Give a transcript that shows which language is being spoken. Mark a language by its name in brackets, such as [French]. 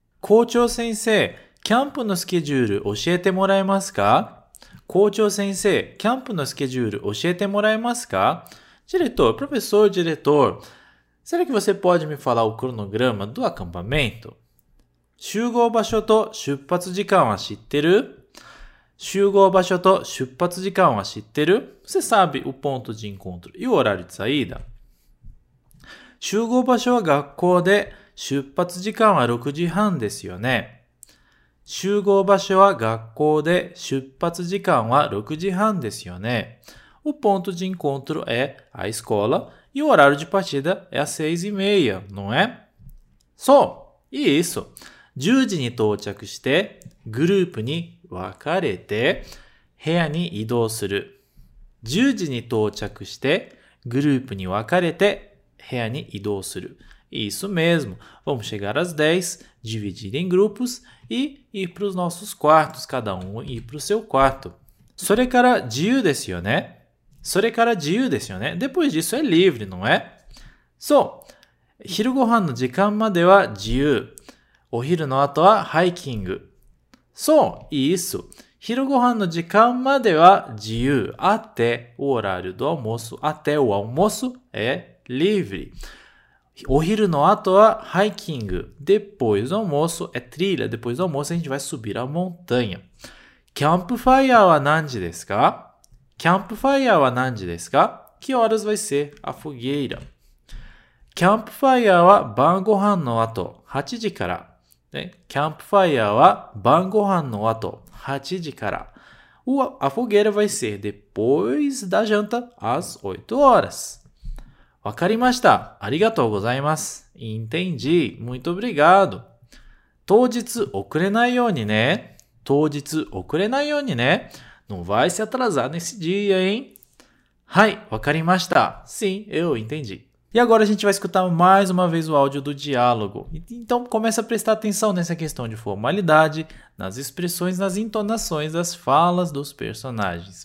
[Japanese] 校長先生、キャンプのスケジュール教えてもらえますか？校長先生、キャンプのスケジュール教えてもらえますか？ [Portuguese] Diretor, professor, diretor, será que você pode me falar o cronograma do acampamento? [Japanese] 集合場所と出発時間は知ってる？集合場所と出発時間は知ってる？ [Portuguese] Você sabe o ponto de encontro e o horário de saída? [Japanese] 集合場所は学校で、出発時間は6時半ですよね。集合場所は学校で、出発時間は6時半ですよね。 [Portuguese] O ponto de encontro é a escola e o horário de partida é às 6:30, não é? [Japanese] そう、いいっす。 10時に到着して、グループに分かれて、部屋に移動する。 10時に到着して、グループに分かれて、部屋に移動する。 [Portuguese] Isso mesmo. Vamos chegar às 10, dividir em grupos e ir para os nossos quartos, cada um ir para o seu quarto. [Japanese] それから自由ですよね。それから自由ですよね。 [Portuguese] Depois disso é livre, não é? [Japanese] そう。昼ご飯の時間までは自由。お昼の後はハイキング。そう。 [Portuguese] Isso. [Japanese] 昼ご飯の時間までは自由。 [Portuguese] Até o horário do almoço. Até o almoço é livre. [Japanese] お昼の後はハイキング。 [Portuguese] Depois do almoço é trilha. Depois do almoço a gente vai subir a montanha. [Japanese] キャンプファイヤーは何時ですか？キャンプファイヤーは何時ですか？ [Portuguese] Que horas vai ser a fogueira? [Japanese] キャンプファイヤーは晩ご飯の後8時から。ね、キャンプファイヤーは晩ご飯の後8時から。 [Portuguese] A fogueira vai ser depois da janta às 8 horas. [Japanese] わかりました。ありがとうございます。 [Portuguese] Entendi. Muito obrigado. [Japanese] 当日遅れないようにね。当日遅れないようにね。 [Portuguese] Não vai se atrasar nesse dia, hein? [Japanese] はい、わかりました。 [Portuguese] Sim, eu entendi. E agora a gente vai escutar mais uma vez o áudio do diálogo. Então, comece a prestar atenção nessa questão de formalidade, nas expressões, nas entonações das falas dos personagens.